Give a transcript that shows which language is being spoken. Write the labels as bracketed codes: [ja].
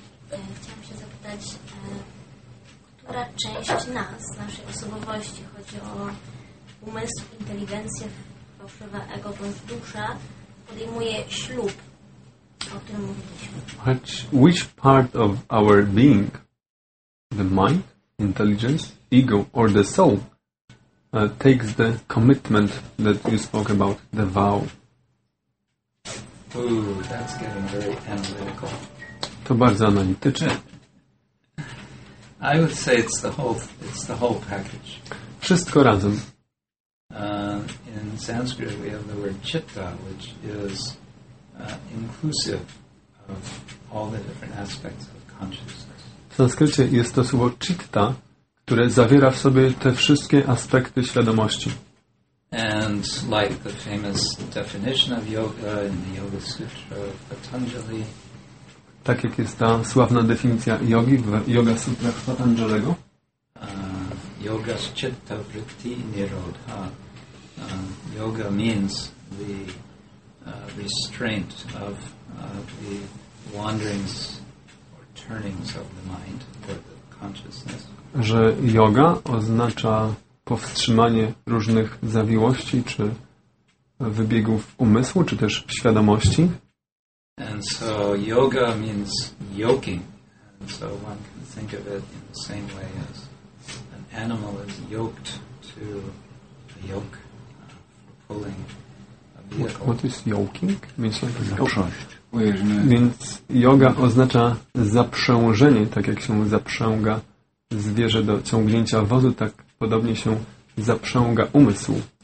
[pl] Chciałam się zapytać, która część nas, naszej osobowości, chodzi o umysł, inteligencję, fałszywe ego bądź duszę, podejmuje ślub, o którym mówiliśmy. [en] Which part of our being, the mind, intelligence, ego, or the soul takes the commitment that you spoke about, the vow? Ooh, that's getting very analytical. [pl] To bardzo analityczne. [en] I would say it's the whole package. [pl] Wszystko razem. [en] In Sanskrit we have the word citta, which is inclusive of all the different aspects of consciousness. [pl] W sanskrycie jest to słowo citta, które zawiera w sobie te wszystkie aspekty świadomości. [en] And like the famous definition of yoga in the Yoga Sutra of Patanjali. [pl] Tak jak jest ta sławna definicja jogi w Yoga Sutra Patanjalego. [sa] Yoga citta vritti nirodha. [en] Yoga means the restraint of the wanderings. Turnings of the mind, the consciousness. [pl] Że yoga oznacza powstrzymanie różnych zawiłości czy wybiegów umysłu czy też świadomości. [en] And so yoga means yoking. And so one can think of it in the same way as an animal is yoked to a yoke for pulling a vehicle. What is yoking? Means like [pl] zaprząść. Więc yoga oznacza zaprzężenie, tak jak się zaprzęga zwierzę do ciągnięcia wozu, tak podobnie się zaprzęga umysł.